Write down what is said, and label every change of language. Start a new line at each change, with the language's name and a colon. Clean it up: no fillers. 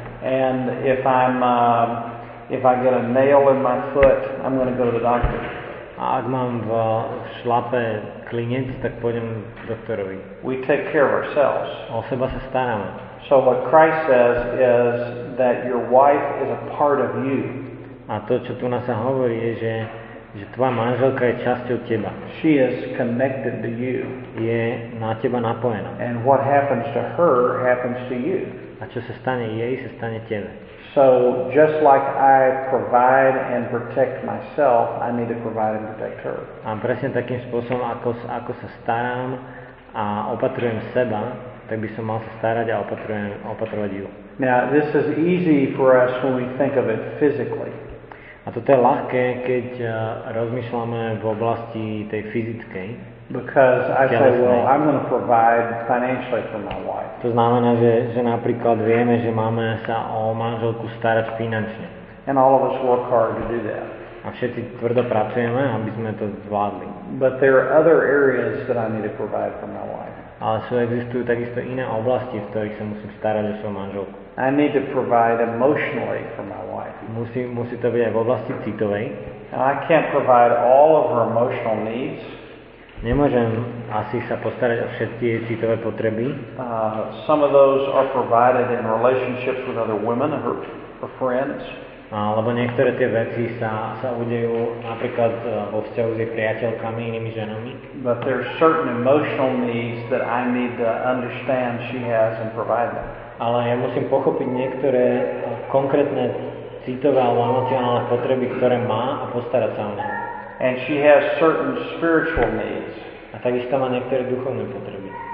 English: And if I get a nail in my foot, I'm going to go to the doctor.
Slovak: A ak mám v šlape klinec, tak pôjdem doktorovi.
English: We take care of ourselves.
Slovak: O seba sa staráme.
English: So what Christ says is that your wife is a part of you.
Slovak: A to, čo tu nás hovorí, je, že tvoja manželka je časťou teba.
English: She is connected to you.
Slovak: Je na teba napojená.
English: And what happens to her happens to you.
Slovak: A čo sa stane jej, sa stane tebe.
English: So just like I provide and protect myself, I need to provide and protect her.
Slovak: A presne takým spôsobom, ako sa starám a opatrujem seba, tak by som mal sa starať a opatrovať ju.
English: Now, this is easy for us when we think of it physically.
Slovak: A toto je ľahké, keď rozmýšľame v oblasti tej fyzickej.
English: Because I say, well, I'm going to provide financially for my wife.
Slovak: To znamená, že napríklad vieme, že máme sa o manželku starať finančne.
English: And all of us work hard to do that.
Slovak: A všetci tvrdo pracujeme, aby sme to zvládli.
English: But there are other areas that I need to provide for my wife.
Slovak: Ale sú existujú takisto iné oblasti, v ktorých sa musím starať o svoju manželku.
English: I need to provide emotionally for my wife.
Slovak: Musí to byť aj v oblasti citovej.
English: And I can't provide all of her emotional needs.
Slovak: Nemôžem asi sa postarať o všetky jej citové potreby.
English: Some of those are provided in relationships with other women, her friends.
Slovak: Alebo niektoré tie veci sa udejú napríklad vo vzťahu s jej priateľkami, inými ženami.
English: But there are certain emotional needs that I need to understand she has and provide them.
Slovak: Ale ja musím pochopiť niektoré konkrétne citové alebo emocionálne potreby, ktoré má, a postarať sa o ne.
English: And she has certain spiritual needs.
Slovak: A takisto má niektoré duchovné potreby.